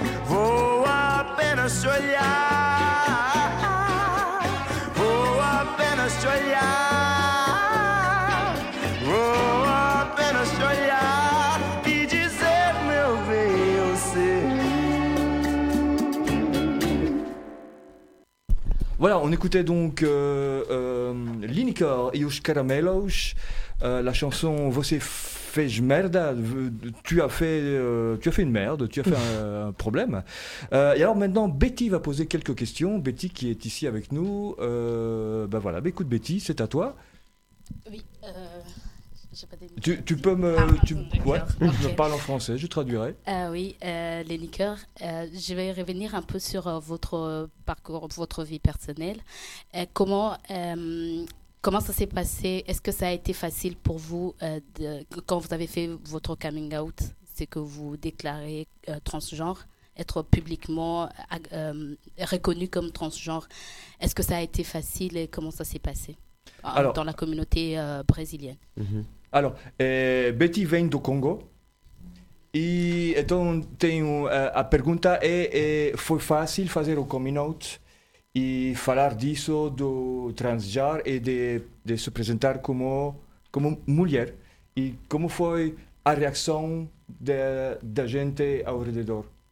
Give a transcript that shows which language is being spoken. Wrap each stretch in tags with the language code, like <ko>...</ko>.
<pt>Vou apenas te olhar, vou apenas te olhar, vou apenas te olhar e dizer, meu bem, eu sei.</pt> <fr>Voilà, on écoutait donc Linicor et Os Caramelos, la chanson Você fez merda, tu as fait une merde, tu as fait un problème. Et alors maintenant, Betty va poser quelques questions. Betty qui est ici avec nous. Ben voilà, mais écoute Betty, c'est à toi. Oui, j'ai pas des... Tu peux me... Ouais, okay. Je me parle en français, je traduirai. Oui, Linicor, je vais revenir un peu sur votre parcours, votre vie personnelle. Comment ça s'est passé? Est-ce que ça a été facile pour vous quand vous avez fait votre coming out, c'est que vous déclarez transgenre, être publiquement reconnu comme transgenre? Est-ce que ça a été facile et comment ça s'est passé alors, dans la communauté brésilienne? Mm-hmm. Alors, Betty vient du Congo.</fr> <pt>E então tenho a pergunta é, foi fácil fazer o coming out? E falar disso do transgênero e de se apresentar como mulher. E como foi a reação da gente ao redor?</pt>